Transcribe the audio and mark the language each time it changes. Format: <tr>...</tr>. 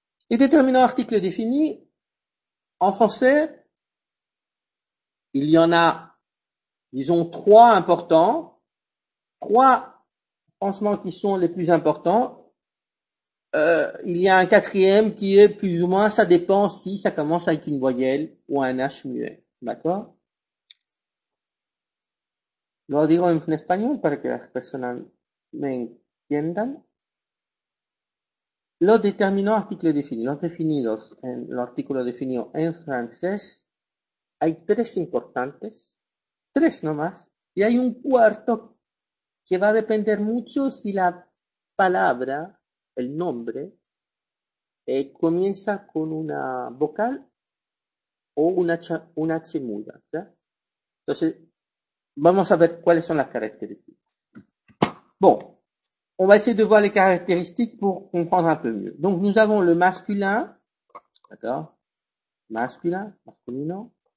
<fr>Et déterminant article défini, en français, il y en a, disons, trois importants. Trois, franchement, qui sont les plus importants. Il y a un quatrième qui est plus ou moins, ça dépend si ça commence avec une voyelle ou un H muet. D'accord?</fr> <es>Lo digo en español para que las personas me entiendan. Los determinados artículos definidos, los definidos en el artículo definido en francés, hay tres importantes, tres nomás, y hay un cuarto que va a depender mucho si la palabra el nombre comienza con una vocal o una H muda, ¿ya? Entonces, vamos a ver cuáles son las características.</es> <fr>Bon, on va essayer de voir les caractéristiques pour comprendre un peu mieux. Donc, nous avons le masculin, d'accord? Masculin, masculino.</fr>